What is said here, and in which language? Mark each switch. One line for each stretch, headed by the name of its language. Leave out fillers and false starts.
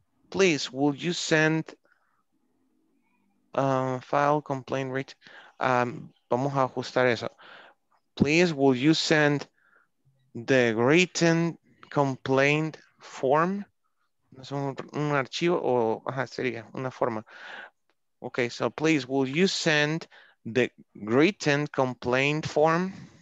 English: Please, will you send file complaint, Rich?
Spanish: Vamos a ajustar eso.
English: Please, will you send the written complaint form?
Spanish: Es un archivo o ajá, sería una forma.
English: Okay, so please, will you send the written complaint form?